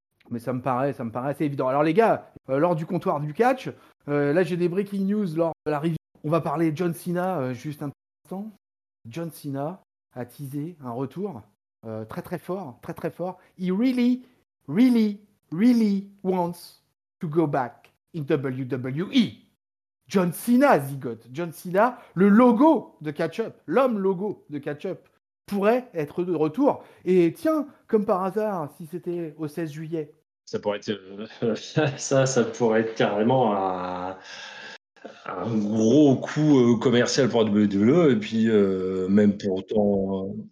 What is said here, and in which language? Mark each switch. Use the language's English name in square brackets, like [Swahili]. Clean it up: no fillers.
[French] mais ça me paraît assez évident. Alors les gars, lors du comptoir du catch, là j'ai des breaking news lors de la review. On va parler de John Cena juste un petit instant. John Cena a teasé un retour. Très très fort, très très fort. [English] He really, really, really wants to go back in WWE. [French] John Cena, Zygott. John Cena, le logo de Catch-Up, l'homme logo de Catch-Up, pourrait être de retour. Et tiens, comme par hasard, si c'était au 16 juillet. Ça pourrait être. ça pourrait être carrément un gros coup commercial pour WWE et puis même pourtant.